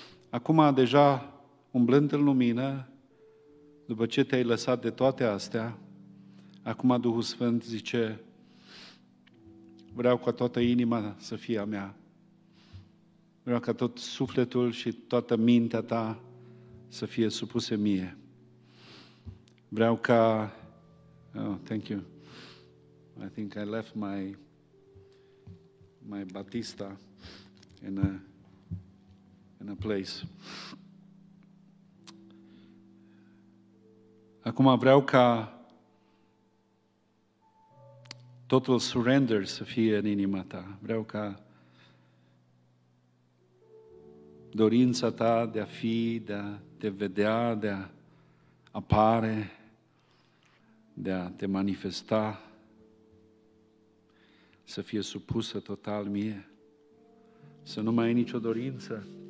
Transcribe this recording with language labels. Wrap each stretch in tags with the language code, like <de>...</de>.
<ro>Acum, deja umblând în lumină, după ce te-ai lăsat de toate astea, acum Duhul Sfânt zice, vreau ca toată inima să fie a mea. Vreau ca tot sufletul și toată mintea ta să fie supuse mie. Vreau ca...</ro> <en>Oh, thank you. I think I left my Batista in a place.</en> <ro>Acum vreau ca totul surrender să fie în inima ta. Vreau ca dorința ta de a fi, de a te vedea, de a apare, de a te manifesta, să fie supusă total mie, să nu mai ai nicio dorință.</ro>